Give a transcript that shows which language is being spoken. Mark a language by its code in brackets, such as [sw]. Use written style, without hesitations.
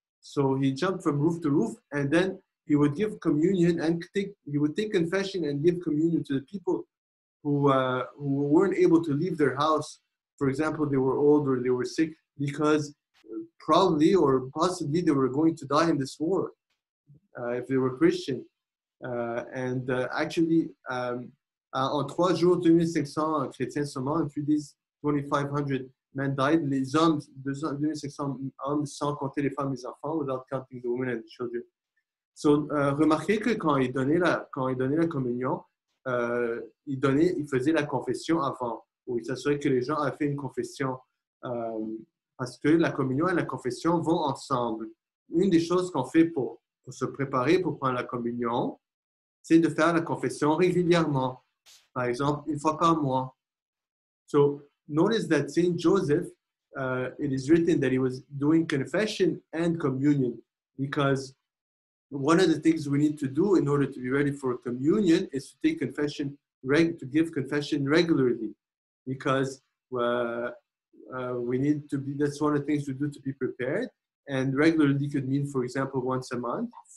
[en] So he jumped from roof to roof and then he would give communion and he would take confession and give communion to the people who weren't able to leave their house. For example, they were old or they were sick because probably or possibly they were going to die in this war if they were Christian. [fr] En trois jours, 2500 chrétiens sont morts, et puis [en] 2500 men died. [fr] Les hommes, 2500 hommes, sans compter les femmes et les enfants, [en] without counting the women and the children. [fr] So, remarquez que quand ils donnaient la communion, il faisait la confession avant, où il s'assurait que les gens avaient fait une confession. Parce que la communion et la confession vont ensemble. Une des choses qu'on fait pour se préparer pour prendre la communion, c'est de faire la confession régulièrement. Par exemple, une fois par mois. [en] So, notice that Saint Joseph, it is written that he was doing confession and communion, because one of the things we need to do in order to be ready for communion is to take confession, to give confession regularly, because we need to be, that's one of the things we do to be prepared, and regularly could mean, for example, once a month.